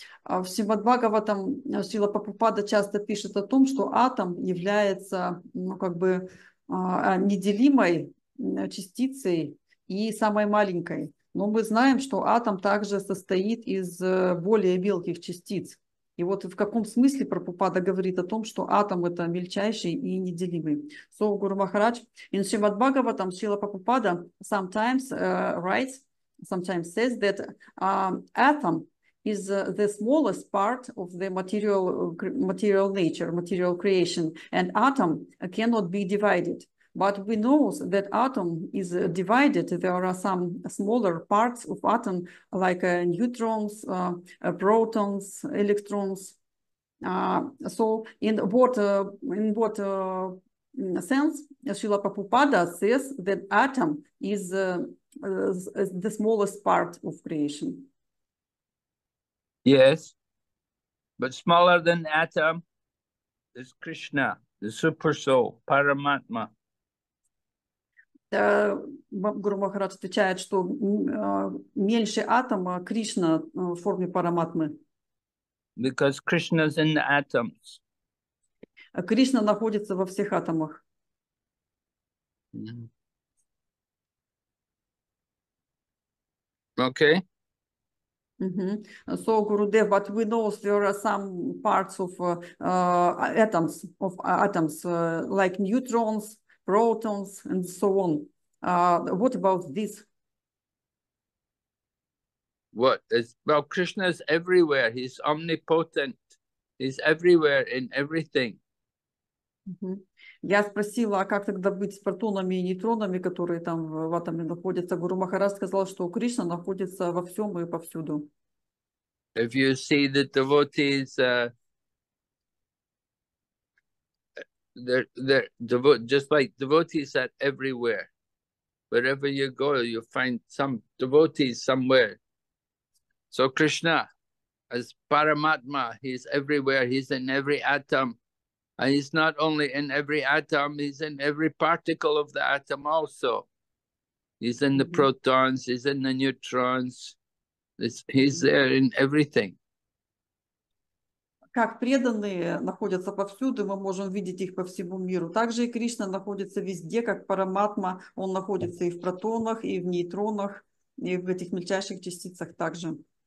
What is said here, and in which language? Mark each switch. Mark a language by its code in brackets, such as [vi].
[ru] В Srimad Bhagavatam Srila Prabhupada часто пишет о том, что атом является, ну, как бы, неделимой частицей и самой маленькой. Но мы знаем, что атом также состоит из более мелких частиц. И вот в каком смысле Прабхупада говорит о том, что атом – это мельчайший и неделимый. [en] So, Guru Maharaj, in Srimad Bhagavatam, Srila Prabhupada sometimes writes, sometimes says that atom is the smallest part of the material nature, material creation, and atom cannot be divided. But we know that atom is divided. There are some smaller parts of atom, like neutrons, protons, electrons. So in what sense Srila Prabhupada says that atom is the smallest part of creation? Yes, but smaller than atom is Krishna, the super soul, Paramatma. [ru] Гуру Махарадж отвечает, что меньше атома Кришна в форме параматмы. [en] Because Krishna's in the atoms. [ru] Кришна находится во всех атомах. [en] Okay. So, Gurudev, but we know there are some parts of atoms, like neutrons, protons, and so on. What about this? What is, well, Krishna is everywhere. He's omnipotent. He's everywhere in everything. [ru] Я спросила, а как тогда быть с протонами и нейтронами, которые там в атоме находятся? Гуру Махарадж сказал, что Кришна находится во всем и повсюду. [en] If you see the devotees, just like devotees are everywhere. Wherever you go, you find some devotees somewhere. So Krishna, as Paramatma, he's everywhere, he's in every atom. And he's not only in every atom, he's in every particle of the atom also. He's in the protons, he's in the neutrons, he's there in everything. [ru] Как преданные находятся повсюду, мы можем видеть их по всему миру. Также и Кришна находится везде, как Параматма. Он находится и в протонах, и в нейтронах, и в этих мельчайших частицах также.